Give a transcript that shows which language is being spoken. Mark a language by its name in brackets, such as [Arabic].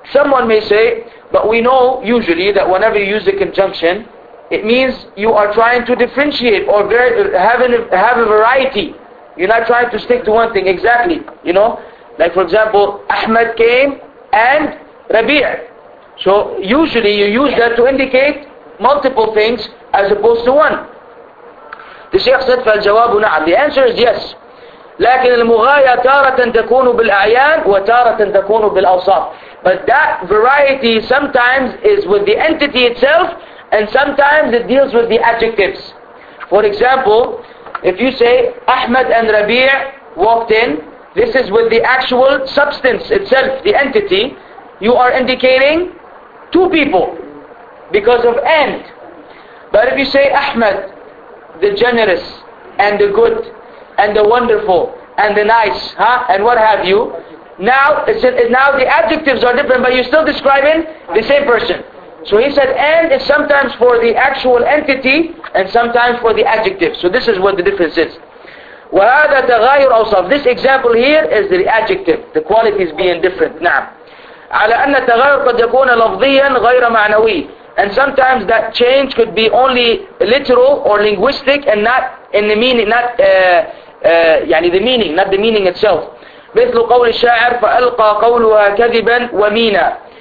[English] Someone may say, but we know usually that whenever you use a conjunction, it means you are trying to differentiate or have a variety. You're not trying to stick to one thing exactly. You know, like for example, Ahmed came and Rabi'. So usually you use that to indicate multiple things as opposed to one. The Shaykh said, [Arabic] فَالْجَوَابُ نَعَمْ. [English] The answer is yes. [Arabic] لكن المغاية تارة تكون بالأعيان وتارة تكون بالأوصاف. [English] But that variety sometimes is with the entity itself, and sometimes it deals with the adjectives. For example, if you say Ahmed and Rabi' walked in, this is with the actual substance itself, the entity. You are indicating two people because of and. But if you say Ahmed, the generous and the good and the wonderful and the nice, huh, and what have you, now the adjectives are different, but you're still describing the same person. So he said, and is sometimes for the actual entity and sometimes for the adjective. So this is what the difference is. [Arabic] وَهَذَا تَغَيُرْ أَوْصَافِ. [English] This example here is the adjective, the qualities being different. [Arabic] نعم. عَلَى أَنَّ تَغَيُرْ قَدْ يَكُونَ لَفْضِيًّا غَيْرَ مَعْنَوِيٍّ. [English] And sometimes that change could be only literal or linguistic and not in the meaning, not يعني the meaning, not the meaning itself. [Arabic] مثل قول الشاعر فَأَلْقَى قَوْلُهَا كَذِبًا وَمِينًا.